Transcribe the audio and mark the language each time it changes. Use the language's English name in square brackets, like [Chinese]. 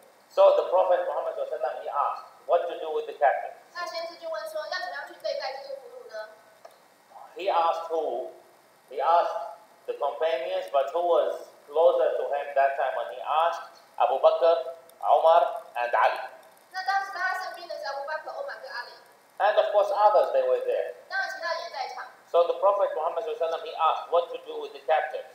[English] So the Prophet Muhammad SAW, he asked, what to do with the captives? [Chinese] 那先知就问说，要怎么样去对待这些俘虏呢？ [English] He asked who? He asked the companions, but who was closer to him that time when he asked? Abu Bakr, Umar, and Ali. [Chinese] 那当时在他身边的是Abu Bakr, Umar, and Ali. [English] And of course others, they were there. [Chinese] 当然其他人也在场。 [English] So the Prophet Muhammad SAW, he asked what to do with the captives.